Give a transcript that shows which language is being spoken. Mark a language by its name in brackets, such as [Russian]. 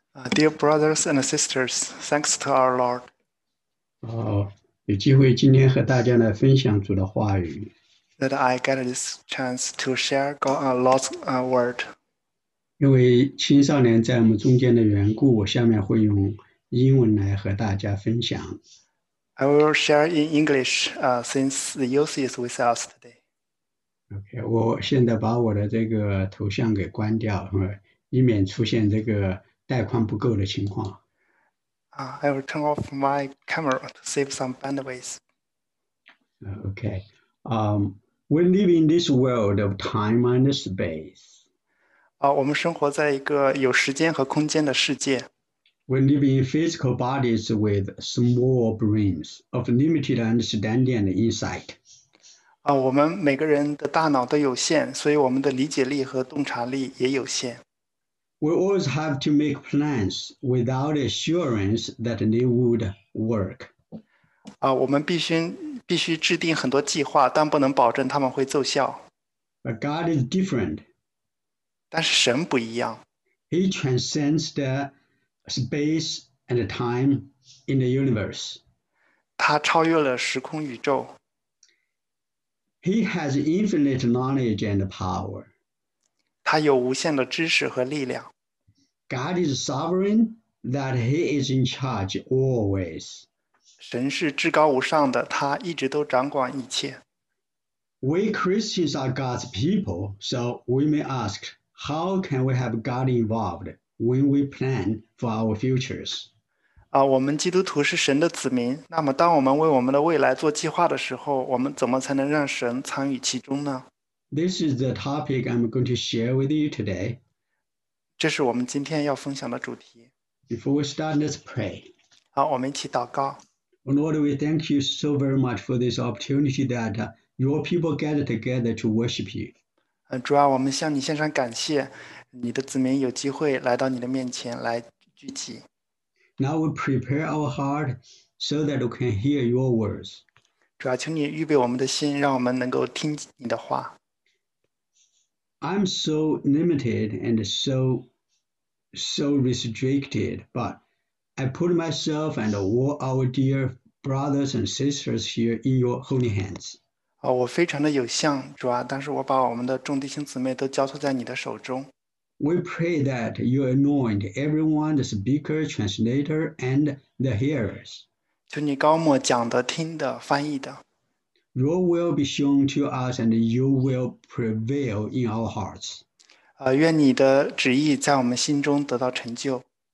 [English] Dear brothers and sisters, thanks to our Lord. [Chinese] 有机会今天和大家来分享主的话语。 [English] That I get this chance to share God's word. [Chinese] 因为青少年在我们中间的缘故，我下面会用英文来和大家分享。 [English] I will share in English, since the youth is with us today. [Chinese] Okay, 我现在把我的这个头像给关掉，以免出现这个带宽不够的情况。 [English] I will turn off my camera to save some bandwidth. Okay, we live in this world of time and space. [Chinese] 我们生活在一个有时间和空间的世界。 [English] We live in physical bodies with small brains of limited understanding and insight. [Chinese] 我们每个人的大脑都有限，所以我们的理解力和洞察力也有限。 [English] We always have to make plans without assurance that they would work. [Chinese] 我们必须制定很多计划，但不能保证他们会奏效。 [English] But God is different. [Chinese] 但是神不一样。 [English] He transcends the space and time in the universe. [Chinese] 他超越了时空宇宙。 [English] He has infinite knowledge and power. [Chinese] 他有无限的知识和力量。 [English] God is sovereign that he is in charge always. [Chinese] 神是至高无上的，他一直都掌管一切。 [English] We Christians are God's people, so we may ask, how can we have God involved when we plan for our futures? [Chinese] 我们基督徒是神的子民，那么当我们为我们的未来做计划的时候，我们怎么才能让神参与其中呢？ [English] This is the topic I'm going to share with you today. [Chinese] 这是我们今天要分享的主题。 [English] Before we start, let's pray. [Chinese] 好，我们一起祷告。 [English] Lord, we thank you so very much for this opportunity that your people gather together to worship you. [Chinese] 主啊，我们向你献上感谢，你的子民有机会来到你的面前来聚集。 [English] Now we prepare our heart so that we can hear your words. [Chinese] 主啊，请你预备我们的心，让我们能够听你的话。 [English] I'm so limited and so restricted, but I put myself and all our dear brothers and sisters here in your holy hands. [Chinese] 我非常的有限，主啊，但是我把我们的众弟兄姊妹都交托在你的手中。 [English] We pray that you anoint everyone, the speaker, translator, and the hearers. [Chinese] 求你高抹讲的、听的、翻译的。 [English] Your will be shown to us, and you will prevail in our hearts. [Chinese] 愿你的旨意在我们心中得到成就。